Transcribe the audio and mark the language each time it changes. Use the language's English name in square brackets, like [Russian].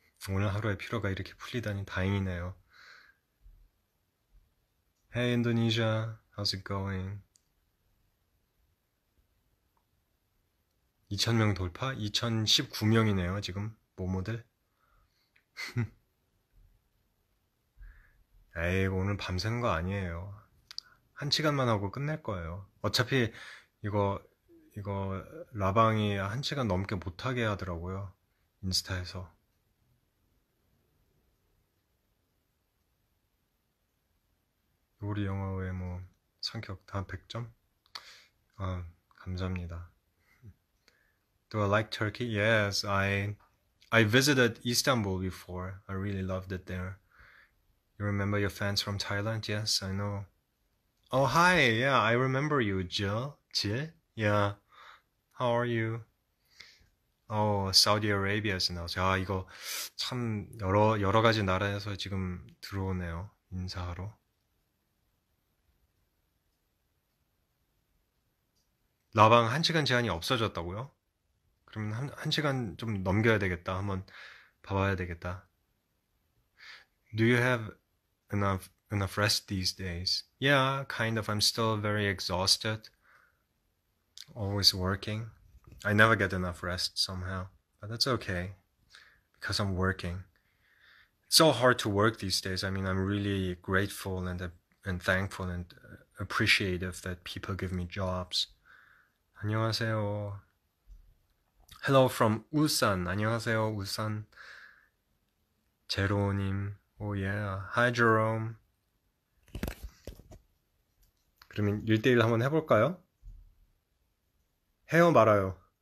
[Korean] 오늘 하루의 피로가 이렇게 풀리다니 다행이네요. [English] Hey Indonesia, how's it going? [Korean] 2,000명 돌파? 2,019명이네요, 지금. 모모들. 에이, 오늘 밤샌 거 아니에요. 한 시간만 하고 끝낼 거예요. 어차피 이거 라방이 한 시간 넘게 못하게 하더라고요. 인스타에서. 우리 영어 외모 성격 다 100점? [English] 아, 감사합니다. Do I like Turkey? Yes, I visited Istanbul before. I really loved it there. You remember your fans from Thailand? Yes, I know. Oh, hi. Yeah, I remember you, Jill. Jill? Yeah. How are you? Oh, Saudi Arabia's now. [Korean] 아, 이거 참 여러 가지 나라에서 지금 들어오네요. 인사하러. 라방 1시간 제한이 없어졌다고요? 그러면 1시간 좀 넘겨야 되겠다. 한번 봐봐야 되겠다. Do you have [English] enough rest these days. Yeah, kind of. I'm still very exhausted. Always working. I never get enough rest somehow, but that's okay because I'm working. It's so hard to work these days. I mean, I'm really grateful and thankful and appreciative that people give me jobs. 안녕하세요. Hello from Ulsan. [Korean] 안녕하세요, Ulsan. [English] 제로님. Oh yeah. Hi, Jerome. [Korean] 그러면 1대1 한번 해볼까요? 해요, 말아요.